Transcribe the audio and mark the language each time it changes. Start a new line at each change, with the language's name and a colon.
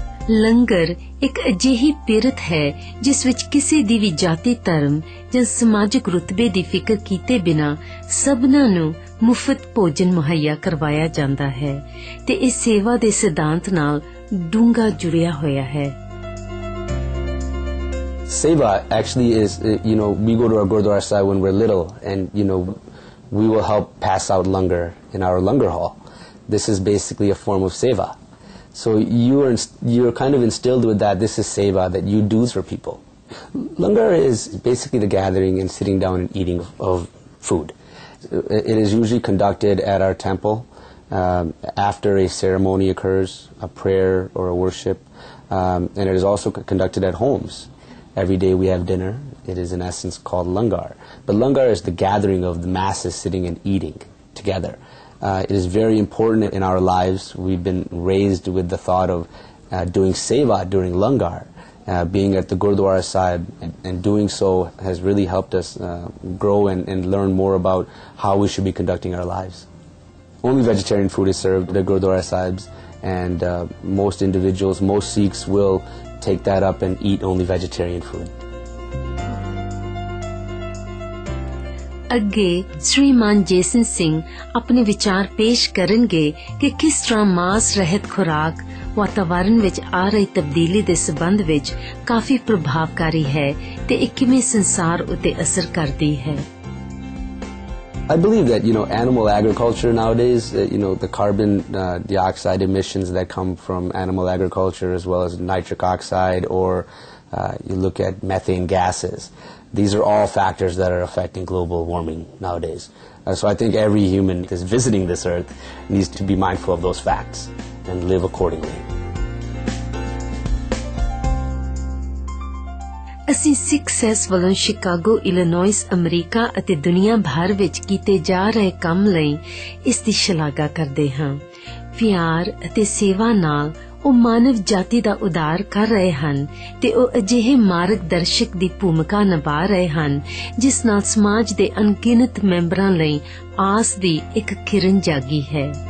Punjabi: ਲੰਗਰ ਇੱਕ ਅਜਿਹੀ ਪਿਰਤ ਹੈ ਜਿਸ ਵਿੱਚ ਕਿਸੇ ਦੀ ਵੀ ਜਾਤੀ ਧਰਮ ਜਾਂ ਸਮਾਜਿਕ ਰੁਤਬੇ ਦੀ ਫਿਕਰ ਕੀਤੇ ਬਿਨਾ ਸਭਨਾਂ ਨੂੰ ਮੁਫਤ ਭੋਜਨ ਮੁਹੱਈਆ ਕਰਵਾਇਆ ਜਾਂਦਾ ਹੈ ਤੇ ਇਹ ਸੇਵਾ ਦੇ ਸਿਧਾਂਤ ਨਾਲ ਡੂੰਘਾ ਜੁੜਿਆ ਹੋਇਆ ਹੈ.
English: Seva actually is, you know, we go to our Gurdwara Sahib when we are little and you know we will help pass out langar in our langar hall. This is basically a form of seva. So you're kind of instilled with that, this is seva, that you do for people. Langar is basically the gathering and sitting down and eating of food. It is usually conducted at our temple after a ceremony occurs, a prayer or a worship, and it is also conducted at homes. Every day we have dinner. It is in essence called langar. But langar is the gathering of the masses sitting and eating together. It is very important in our lives. We've been raised with the thought of doing seva during langar, being at the Gurdwara Sahib, and doing so has really helped us grow and learn more about how we should be conducting our lives. Only vegetarian food is served at the Gurdwara Sahibs, and most individuals, most Sikhs, will take that up and eat only vegetarian food.
Punjabi: ਅੱਗੇ ਸ਼੍ਰੀਮਾਨ Jason Singh ਆਪਣੇ ਵਿਚਾਰ ਪੇਸ਼ ਕਰਨਗੇ ਕਿ ਕਿਸ ਤਰ੍ਹਾਂ ਮਾਸ ਰਹਿਤ ਖੁਰਾਕ ਵਾਤਾਵਰਨ ਵਿੱਚ ਆ ਰਹੀ ਤਬਦੀਲੀ ਦੇ ਸੰਬੰਧ ਵਿੱਚ ਕਾਫੀ ਪ੍ਰਭਾਵਕਾਰੀ ਹੈ ਤੇ ਇਹ ਕਿਵੇਂ ਸੰਸਾਰ ਉੱਤੇ ਅਸਰ ਕਰਦੀ ਹੈ.
English: I believe that, you know, animal agriculture nowadays, you know, the carbon dioxide emissions that come from animal agriculture, as well as nitric oxide, or you look at methane gases, these are all factors that are affecting global warming nowadays. So I think every human that is visiting this earth needs to be mindful of those facts and live accordingly.
Punjabi: ਅਸੀਂ ਸਿਕਸੈਸ ਵੱਲੋਂ Chicago, Illinois, America ਅਤੇ ਦੁਨੀਆ ਭਰ ਵਿੱਚ ਕੀਤੇ ਜਾ ਰਹੇ ਕੰਮ ਲਈ ਇਸ ਦੀ ਸ਼ਲਾਘਾ ਕਰਦੇ ਹਾਂ. ਪਿਆਰ ਅਤੇ ਸੇਵਾ ਨਾਲ ਉਹ ਮਾਨਵ ਜਾਤੀ ਦਾ ਉਦਾਰ ਕਰ ਰਹੇ ਹਨ ਤੇ ਉਹ ਅਜਿਹੇ ਮਾਰਗ ਦਰਸ਼ਕ ਦੀ ਭੂਮਿਕਾ ਨਿਭਾ ਰਹੇ ਹਨ ਜਿਸ ਨਾਲ ਸਮਾਜ ਦੇ ਅਣਗਿਣਤ ਮੈਂਬਰਾਂ ਲਈ ਆਸ ਦੀ ਇੱਕ ਕਿਰਨ ਜਾਗੀ ਹੈ.